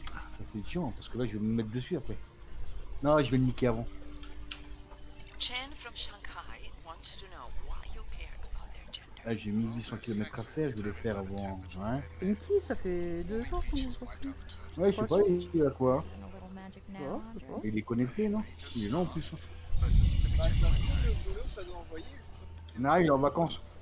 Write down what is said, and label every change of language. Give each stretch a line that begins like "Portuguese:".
French: ça c'est chiant parce que là, je vais me mettre dessus après. Non, je vais le niquer avant.
English: Chen from Shanghai wants to know why you care about their gender.
French: Ah, j'ai 1800 km à faire, je vais le faire avant. Ouais. Et si, ça fait deux jours qu'on est sorti. Ouais, je sais pas, il est à quoi. Ouais, il est connecté, non? Il est là en plus. Bah, ça doit envoyer. Non, il est en vacances.